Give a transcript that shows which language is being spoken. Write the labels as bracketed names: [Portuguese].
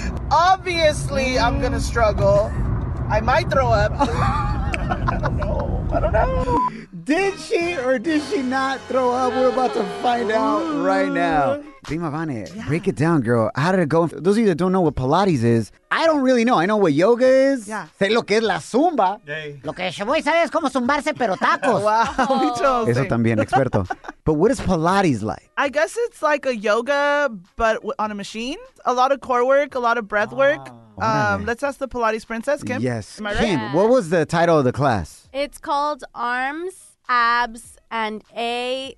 [English] Obviously, I'm going to struggle. I might throw up. I don't know. Did she or did she not throw up? We're about to find out right now. Dima Vane, break it down, girl. How did it go? Those of you that don't know what Pilates is, I don't really know. I know what yoga is. Yeah. [Spanish] Sé lo que es la zumba. Lo que yo voy a saber es como zumbarse, pero tacos. [English] Wow. [Spanish] Eso también, experto. [English] But what is Pilates like? I guess it's like a yoga, but on a machine. A lot of core work, a lot of breath work. Let's ask the Pilates princess, Kim. Yes. Am I right? Kim, what was the title of the class? It's called Arms, Abs, and A.